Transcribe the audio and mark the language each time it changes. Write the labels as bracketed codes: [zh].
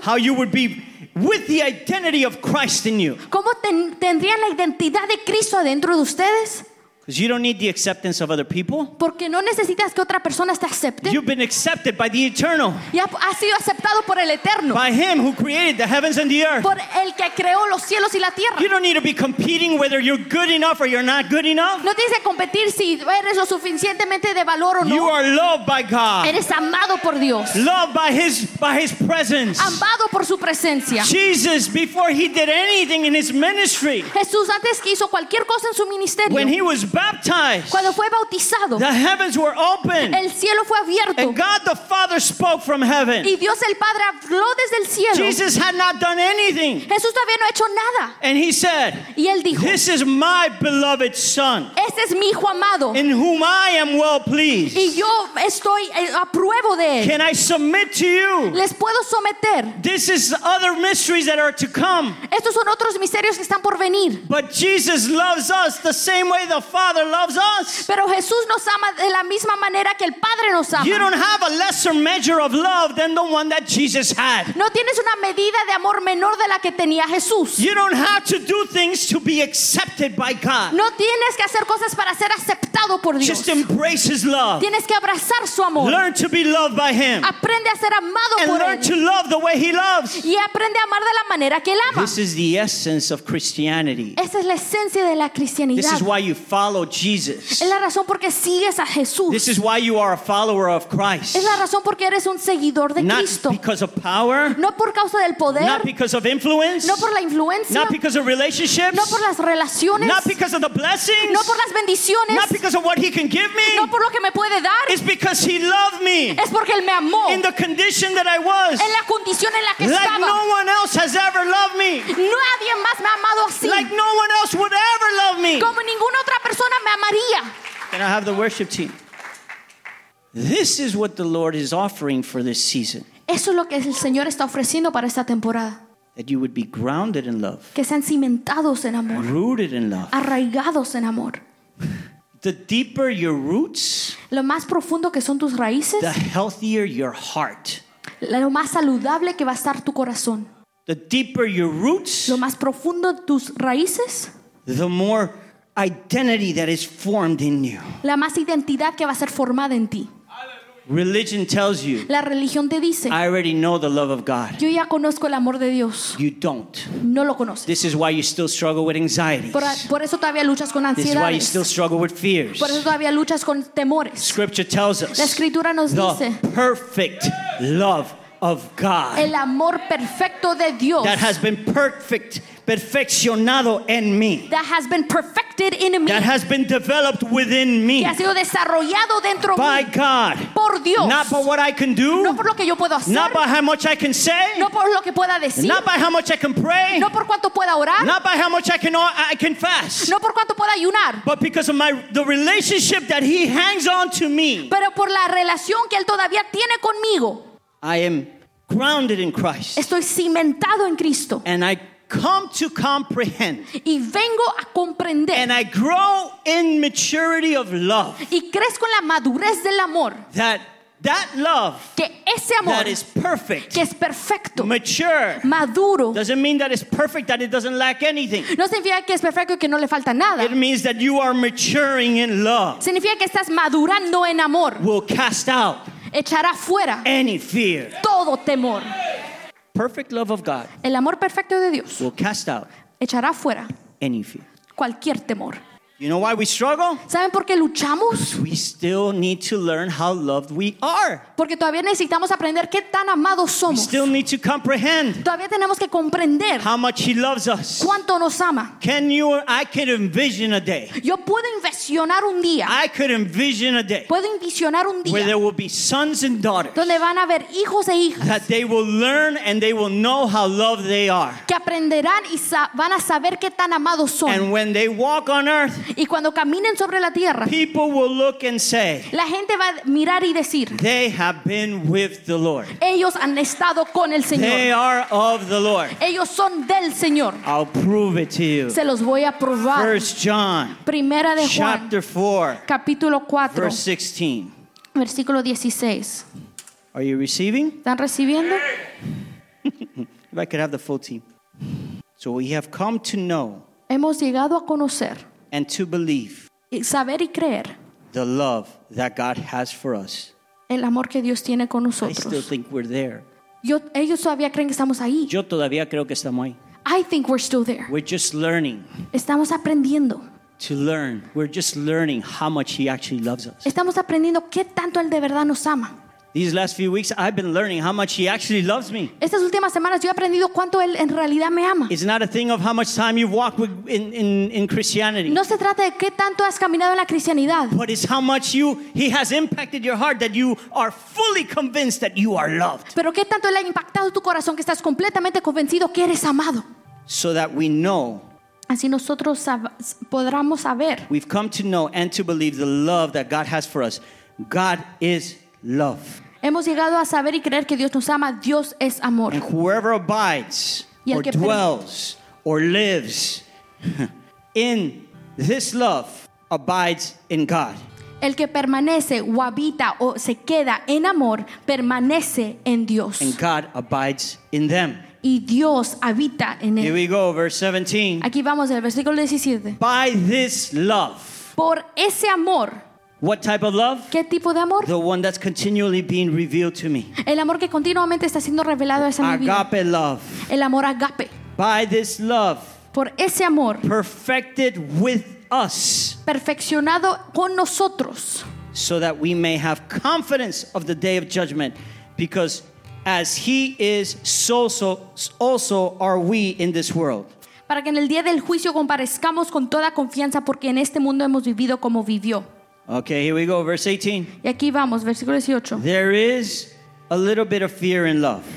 [en] How you would be with the identity of Christ in you. [es] ¿Cómo tendrían la identidad de Cristo dentro de ustedes? [en] Because you don't need the acceptance of other people. [es] Porque no necesitas que otra persona te acepte. [en] You've been accepted by the eternal. [es] Ya has sido aceptado por el eterno. [en] By Him who created the heavens and the earth. [es] Por el que creó los cielos y la tierra. [en] You don't need to be competing whether you're good enough or you're not good enough. [es] No tienes que competir si eres lo suficientemente de valor o no. [en] You are loved by God. [es] Eres amado por Dios. [en] Loved by His presence. [es] Amado por su presencia. [en] Jesus, before He did anything in His ministry. [es] Jesús antes que hizo cualquier cosa en su ministerio. [en] When He was baptized. [es] Cuando fue bautizado. [en] The heavens were open. [es] El cielo fue abierto. [en] And God the Father spoke from heaven. [es] Y Dios el Padre habló desde el cielo. [en] Jesus had not done anything. [es] Jesús todavía no ha hecho nada. [en] And He said, [es] y él dijo, [en] "This is my beloved Son. [es] Este es mi hijo amado. [en] In whom I am well pleased." [es] Y yo estoy a prueba de él. [en] Can I submit to you? [es] Les puedo someter. [en] This is other mysteries that are to come. [es] Estos son otros misterios que están por venir. [en] But Jesus loves us the same way the Father Father loves us. [es] Pero Jesús nos ama de la misma manera que el Padre nos ama. [en] You don't have a lesser measure of love than the one that Jesus had. [es] No tienes una medida de amor menor de la que tenía Jesús. [en] You don't have to do things to be accepted by God. [es] No tienes que hacer cosas para ser aceptado por Dios. [en] Just embrace His love. [es] Tienes que abrazar su amor. [en] Learn to be loved by Him. [es] Aprende a ser amado [en] and [es] por [en] learn [es] él. [en] To love the way He loves. [es] Y aprende a amar de la manera que él ama. [en] This is the essence of Christianity. [es] Esa es la esencia de la cristianidad. [en] This is why you follow Jesus. [es] Es la razón porque sigues a Jesús. [en] This is why you are a follower of Christ. [es] Es la razón porque eres un seguidor de [en] not [es] Cristo. [en] Because of power. [es] No por causa del poder. [en] Not because of influence. [es] No por la influencia. [en] Not because of relationships. [es] No por las relaciones. [en] Not because of the blessings. [es] No por las bendiciones. [en] Not because of what He can give me. [es] No por lo que me puede dar. [en] It's because He loved me. [es] Es porque él me amó. [en] In the condition that I was. [es] En la condición en la que [en] like [es] estaba. [en] Like no one else has ever loved me. [es] Nadie más me ha amado así. [en] Like no one else would ever love me. [es] Como ninguna otra persona me amaría. [en] Can I have the worship team? This is what the Lord is offering for this season. [es] Eso es lo que el Señor está ofreciendo para esta temporada. [en] That you would be grounded in love. [es] Que sean cimentados en amor. [en] Rooted in love. [es] Arraigados en amor. [en] The deeper your roots. [es] Lo más profundo que son tus raíces. [en] The healthier your heart. [es] Lo más saludable que va a estar tu corazón. [en] The deeper your roots. [es] Lo más profundo tus raíces. [en] The more identity that is formed in you. [es] La más identidad que va a ser formada en ti. [en] Religion tells you. [es] La religión te dice. [en] I already know the love of God. [es] Yo ya conozco el amor de Dios. [en] You don't. [es] No lo conoces. [en] This is why you still struggle with anxieties. [es] Por eso todavía luchas con ansiedades. [en] This is why you still struggle with fears. [es] Por eso todavía luchas con temores. [en] Scripture tells us. [es] La escritura nos [en] the [es] dice. [en] Perfect love of God. [es] El amor perfecto de Dios. [en] That has been perfect. [es] Perfeccionado en mí. [en] That has been perfected in me. That has been developed within me. [es] Que ha sido desarrollado dentro de [en] By God. [es] Por Dios. [en] Not by what I can do. [es] No por lo que yo puedo hacer. [en] Not by how much I can say. [es] No por lo que pueda decir. [en] Not by how much I can pray. [es] No por cuánto pueda orar. [en] Not by how much I can fast. [es] No por cuánto pueda ayunar. [en] But because of the relationship that He hangs on to me. [es] Pero por la relación que él todavía tiene conmigo. [en] I am grounded in Christ. [es] Estoy cimentado en Cristo. [en] And I come to comprehend. [es] Y vengo a comprender. [en] And I grow in maturity of love. [es] Y crezco en la madurez del amor. [en] That love. [es] Que ese amor. [en] That is perfect. [es] Que es perfecto. [en] Mature. [es] Maduro. [en] Doesn't mean that it's perfect that it doesn't lack anything. [es] No significa que es perfecto y que no le falta nada. [en] It means that you are maturing in love. [es] Significa que estás madurando en amor. [en] Will cast out. [es] Echará fuera. [en] Any fear. [es] Todo temor. [en] Perfect love of God. [es] El amor perfecto de Dios. [en] Will cast out. [es] Echará fuera. [en] Any fear. [es] Cualquier temor. [en] You know why we struggle? [es] ¿Saben por qué luchamos? [en] Because we still need to learn how loved we are. [es] Porque todavía necesitamos aprender qué tan amados somos. [en] We still need to comprehend. [es] Todavía tenemos que comprender. [en] How much He loves us. [es] Cuánto nos ama. [en] Can you? I can envision a day. [es] Yo puedo envisionar un día. [en] I could envision a day. [es] Puedo envisionar un día. [en] Where there will be sons and daughters. [es] Donde van a haber hijos e hijas. [en] That they will learn and they will know how loved they are. [es] Que aprenderán y van a saber qué tan amados son. [en] And when they walk on earth. [es] Y cuando caminen sobre la tierra, [en] people will look and say, [es] la gente va a mirar y decir, [en] they have been with the Lord. [es] Ellos han estado con el Señor. [en] They are of the Lord. [es] Ellos son del Señor. [en] I'll prove it to you. [es] Se los voy a probar. [en] First John, [es] Primera de [en] chapter [es] Juan, [en] 4, [es] capítulo 4, [en] verse 16. [es] Versículo 16. [en] Are you receiving? [es] ¿Están recibiendo? [en] If I could have the full team. So we have come to know. [es] Hemos llegado a conocer. [en] And to believe [es] y saber y creer [en] the love that God has for us. [es] El amor que Dios tiene con nosotros. [en] I still think we're there. [es] Ellos todavía creen que estamos ahí. Yo todavía creo que estamos ahí. [en] I think we're still there. We're just learning. [es] Estamos aprendiendo. [en] To learn. We're just learning how much He actually loves us. [es] Estamos aprendiendo qué tanto Él de verdad nos ama. [en] These last few weeks, I've been learning how much He actually loves me. [es] Estas últimas semanas yo he aprendido cuánto él en realidad me ama. [en] It's not a thing of how much time you've walked with in Christianity. [es] No se trata de qué tanto has caminado en la cristianidad. [en] But it's how much He has impacted your heart that you are fully convinced that you are loved. [es] Pero qué tanto él ha impactado tu corazón que estás completamente convencido que eres amado. [en] So that we know. [es] Así nosotros podremos saber. [en] We've come to know and to believe the love that God has for us. God is love. [es] Hemos llegado a saber y creer que Dios nos ama. Dios es amor. [en] And whoever abides or dwells or lives in this love abides in God. [es] El que permanece o habita o se queda en amor permanece en Dios. [en] And God abides in them. [es] Y Dios habita en él. [en] Here we go, verse 17. [es] Aquí vamos al versículo 17. [en] By this love. [es] Por ese amor. [en] What type of love? [es] ¿Qué tipo de amor? [en] The one that's continually being revealed to me. [es] El amor que continuamente está siendo revelado a esa agape mi vida. [en] Agape love. [es] El amor agape. [en] By this love. [es] Por ese amor. [en] Perfected with us, [es] perfeccionado con nosotros, [en] so that we may have confidence of the day of judgment, because as he is, so also are we in this world. [es] Para que en el día del juicio comparezcamos con toda confianza, porque en este mundo hemos vivido como vivió. [en] Okay, here we go, verse 18. [es] Y aquí vamos, versículo 18. [en] There is a little bit of fear in love.